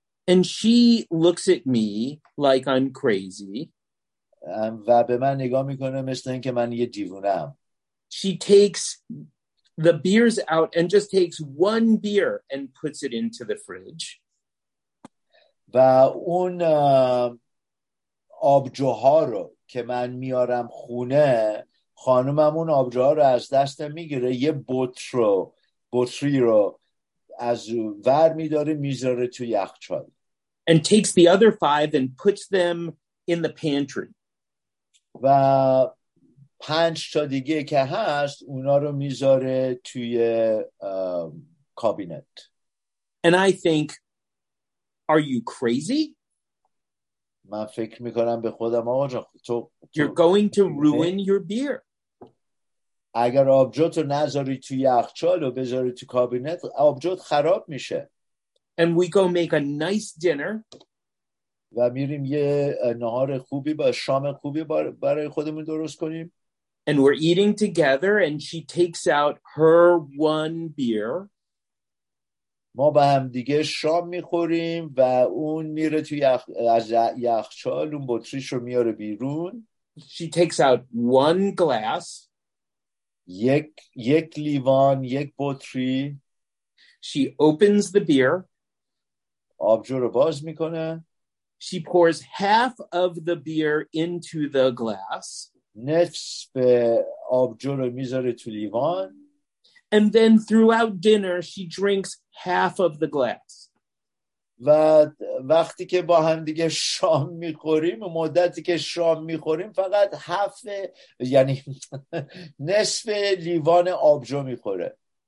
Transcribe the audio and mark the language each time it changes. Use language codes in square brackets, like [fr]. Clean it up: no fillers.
[en] And she looks at me like I'm crazy. [fa] و به من نگاه میکنه مثل اینکه من یه دیوونم. [en] She takes the beers out and just takes one beer and puts it into the fridge. [fa] و اون آبجوها رو که من میارم خونه، خانومم اون آبجوها رو از دستم میگیره، یه بطری رو از ور میداره میذاره تو یخچال. [en] And takes the other five and puts them in the pantry. [fa] و پنج تا دیگه که هست اونا رو میذاره توی کابینت. [en] And I think, are you crazy? [fa] من فکر میکنم به خودم آقا جان تو [en] You're going to ruin your beer. [fa] اگر آبجوت رو نذاری توی یخچال و بذاری تو کابینت آبجوت خراب میشه. [en] And we go make a nice dinner. [fa] و میریم یه نهار خوبی با شام خوبی برای خودمون درست کنیم. [en] And we're eating together and she takes out her one beer. [fa] ما با هم دیگه شام میخوریم و اون میره توی از یخچال اون بطریش رو میاره بیرون. [en] She takes out one glass. [fa] یک لیوان یک بطری. [en] She opens the beer. [fa] آبجو رو باز میکنه. [en] She pours half of the beer into the glass. [fa] نصف آبجو رو میذاره تو لیوان. [en] And then throughout dinner she drinks half of the glass. [fa] و وقتی که با هم دیگه شام میخوریم مدتی که شام میخوریم فقط هفت یعنی نصف لیوان آبجو میخوره.